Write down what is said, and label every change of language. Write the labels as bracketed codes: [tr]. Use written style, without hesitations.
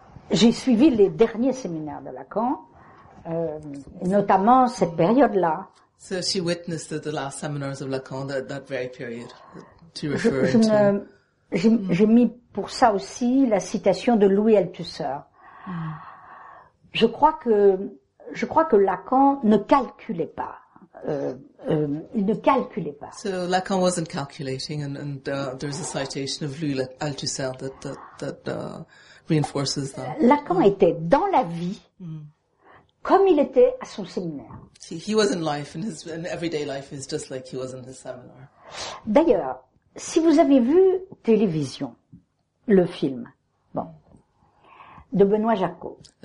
[fr] J'ai suivi les derniers séminaires de Lacan, notamment cette période-là. [en] So she witnessed the last seminars of Lacan, that very period, to refer [fr] J'ai mis pour ça aussi la citation de Louis Althusser. Je crois que Lacan ne calculait pas. Il ne calculait pas. [en] So Lacan wasn't calculating, and there's a citation of Louis Althusser that reinforces that. [fr] Lacan était dans la vie comme il était à son séminaire. [en] He was in life, and his in everyday life is just like he was in his seminar. [fr] D'ailleurs, si vous avez vu télévision, le film, bon, de Benoît Jacquot.